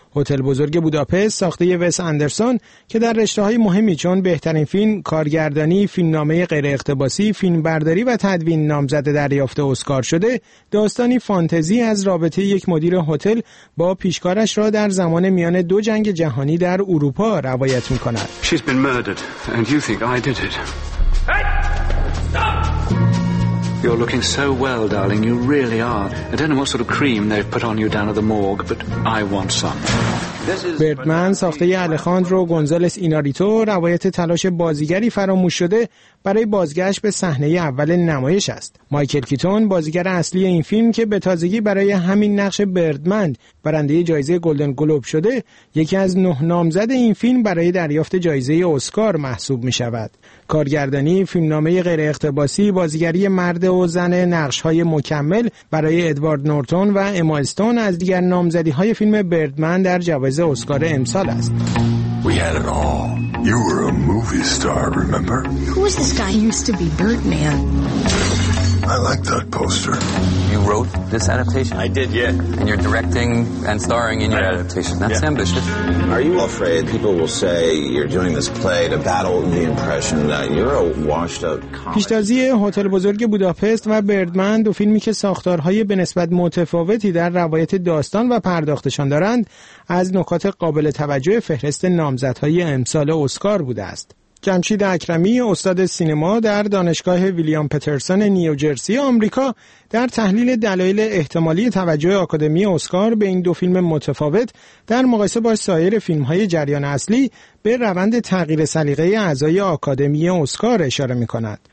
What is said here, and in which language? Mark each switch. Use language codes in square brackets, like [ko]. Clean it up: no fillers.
[fa] هتل بزرگ بوداپست ساخته وس اندرسون که در رشته‌های مهمی چون بهترین فیلم، کارگردانی، فیلمنامه غیر اقتباسی، فیلمبرداری و تدوین نامزد دریافت اسکار شده، داستانی فانتزی از رابطه یک مدیر هتل با پیشکارش را در زمان میان دو جنگ جهانی در اروپا روایت می‌کند. [en] She's been murdered and you think I did it. You're looking so well, darling. You really are. I don't know what sort of cream they've put on you down at the morgue, but I want some. [fa] بردمن ساخته ی الخاندرو گونزالس اینارریتو روایت تلاش بازیگری فراموش شده برای بازگشت به صحنه اول نمایش است. مایکل کیتون بازیگر اصلی این فیلم که به تازگی برای همین نقش بردمن برنده جایزه گلدن گلوب شده، یکی از 9 نامزد این فیلم برای دریافت جایزه اسکار محسوب می شود. کارگردانی، فیلمنامه غیر اقتباسی، بازیگری مرد و زن، نقش‌های مکمل برای ادوارد نورتون و اما استون از دیگر نامزدی‌های فیلم بردمن در جوایز اسکار امسال است. [en] We had it all. You were a movie star, remember? Who was this guy? He used to be Birdman. I like that poster. You wrote this adaptation? I did, yeah. And you're directing and starring in your adaptation. That's ambitious. Are you afraid people will say you're doing this play to battle the impression that you're a washed-up comic? [fa] پیشتازی هتل بزرگ بوداپست و بردمن، دو فیلمی که ساختارهای به نسبت متفاوتی در روایت داستان و پرداختشان دارند، از نکات قابل توجه فهرست نامزدهای امسال اسکار بوده است. جمشید اکرمی، استاد سینما در دانشگاه ویلیام پترسون نیوجرسی آمریکا، در تحلیل دلایل احتمالی توجه آکادمی اسکار به این دو فیلم متفاوت در مقایسه با سایر فیلم‌های جریان اصلی، به روند تغییر سلیقه اعضای آکادمی اسکار اشاره می‌کند.